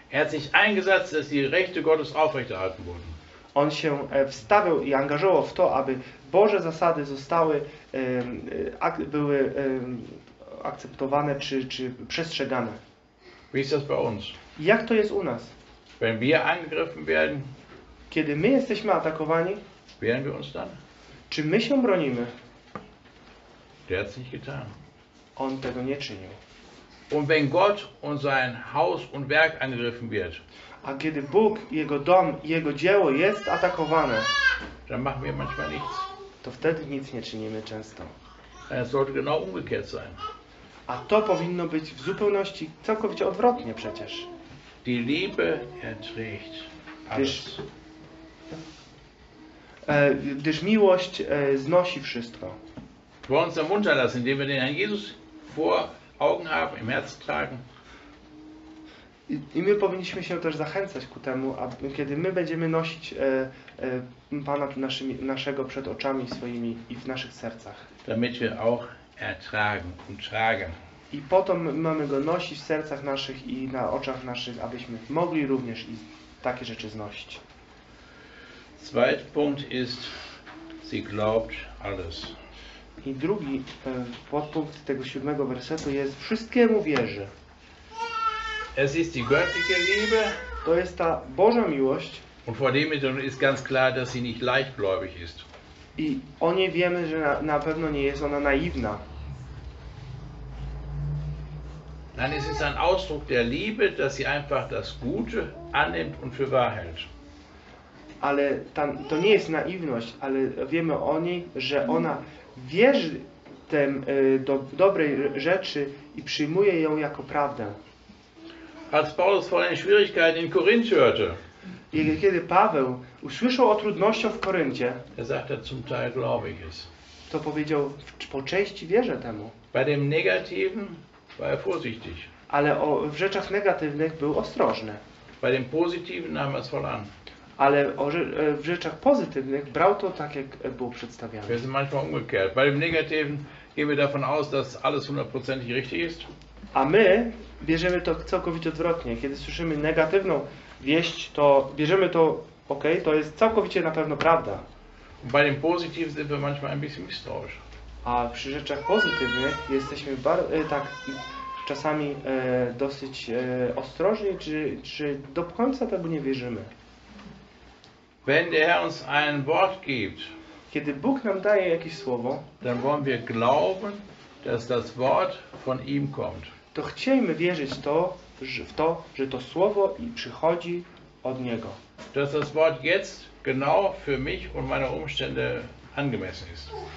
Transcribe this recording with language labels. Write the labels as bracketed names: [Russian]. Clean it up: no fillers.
[German] Er hat sich eingesetzt, dass die Rechte Gottes aufrechterhalten wurden. [Polish] On się wstawiał i angażował w to, aby Boże zasady zostały, były akceptowane czy przestrzegane. [German] Wie ist das bei uns? [Polish] Jak to jest u nas? [German] Wenn wir angegriffen werden, [Polish] kiedy my jesteśmy atakowani, [German] wehren wir uns dann? [Polish] Czy my się bronimy? [German] Der hat's nicht getan. [Polish] On tego nie czynił. [German] Und wenn Gott und sein Haus und Werk angegriffen wird, [Polish] a kiedy Bóg, jego dom, jego dzieło jest atakowane, [German] dann machen wir manchmal nichts. [Polish] To wtedy nic nie czynimy często. [German] Es sollte genau umgekehrt sein. [Polish] A to powinno być w zupełności całkowicie odwrotnie przecież. [German] Die Liebe erträgt alles. [Polish] Gdyż miłość znosi wszystko. [German] Wollen wir uns unterlassen, indem wir den Herrn Jesus vor Augen haben, im Herzen tragen? [Polish] I my powinniśmy się też zachęcać ku temu, aby, kiedy my będziemy nosić Pana naszego przed oczami swoimi i w naszych sercach. [German] Damit wir auch ertragen und tragen. [Polish] I potem mamy go nosić w sercach naszych i na oczach naszych, abyśmy mogli również i takie rzeczy znosić. [German] Zweiter Punkt ist, sie glaubt alles. [Polish] I drugi podpunkt tego siódmego wersetu jest, wszystkiemu wierzy. [German] Es ist die göttliche Liebe. [Polish] To jest ta Boża miłość. [German] Und vor dem Hintergrund ist ganz klar, dass sie nicht leichtgläubig ist. [Polish] I o niej wiemy, że na pewno nie jest ona naiwna. [German] Dann ist es ein Ausdruck der Liebe, dass sie einfach das Gute annimmt und für wahr hält. [Polish] Ale to nie jest naiwność, ale wiemy o niej, że ona wierzy tym dobrej rzeczy i przyjmuje ją jako prawdę. [German] Als Paulus von den Schwierigkeiten in Korinth hörte. [Polish] I kiedy Paweł usłyszał o trudnościach w Koryncie, [German] er sagte, zum Teil glaube ich es. [Polish] To powiedział, po części wierzę temu. [German] Bei dem Negativen war er vorsichtig. [Polish] Ale w rzeczach negatywnych był ostrożny. [German] Bei dem Positiven nahm er es voll an. [Polish] Ale w rzeczach pozytywnych brał to tak, jak było przedstawiane. [German] Wir sind manchmal umgekehrt. Bei dem Negativen gehen wir davon aus, dass alles hundertprozentig richtig ist. [Polish] A my bierzemy to całkowicie odwrotnie. Kiedy słyszymy negatywną wieść, to bierzemy to, ok, to jest całkowicie na pewno prawda. [German] Bei dem Positiven sind wir manchmal ein bisschen misstrauisch. [Polish] A przy rzeczach pozytywnych jesteśmy tak czasami dosyć ostrożni, czy do końca tego nie wierzymy. [German] Wenn der Herr uns ein Wort gibt, [Polish] kiedy Bóg nam daje jakieś słowo, [German] dann wollen wir glauben, dass das Wort von ihm kommt. [Polish] To chcemy wierzyć w to, że to słowo i przychodzi od niego. [German] Dass das Wort jetzt genau für mich und meine Umstände angemessen ist.